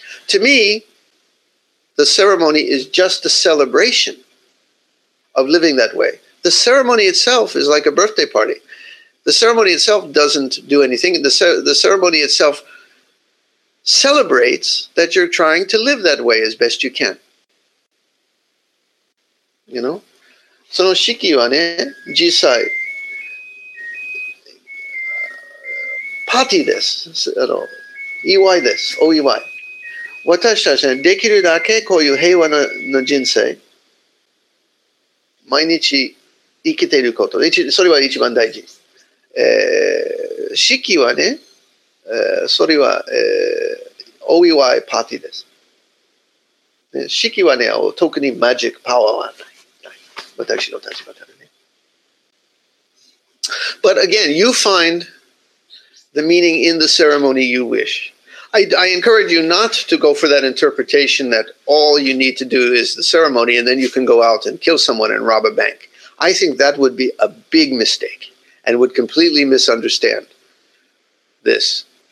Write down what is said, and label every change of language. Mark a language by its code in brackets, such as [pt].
[en] To me, the ceremony is just a celebration of living that way. The ceremony itself is like a birthday party. The ceremony itself doesn't do anything. The ceremony itself celebrates that you're trying to live that way as best you can. You know? [ja] その式はね、実際、パーティーです。あの、祝いです。お祝い。私たちはできるだけこういう平和な人生、毎日生きていること、それは一番大事。式はね、それは、お祝いパーティーです。式はね、特にマジックパワーはない。私の立場からね。 [en] But again, you find the meaning in the ceremony you wish. I encourage you not to go for that interpretation that all you need to do is the ceremony and then you can go out and kill someone and rob a bank. I think that would be a big mistake and would completely misunderstand this.